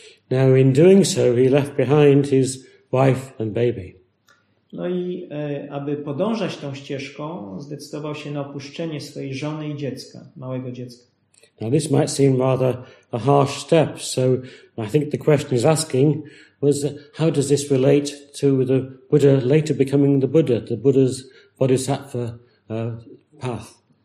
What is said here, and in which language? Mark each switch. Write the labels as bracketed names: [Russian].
[English] Now in doing so he left behind his wife and baby. [Polish] No i aby podążać tą ścieżką zdecydował się na opuszczenie swojej żony i dziecka, małego dziecka. [English] Now this might seem rather a harsh step, so I think the question he's asking was how does this relate to the Buddha later becoming the Buddha's bodhisattva path.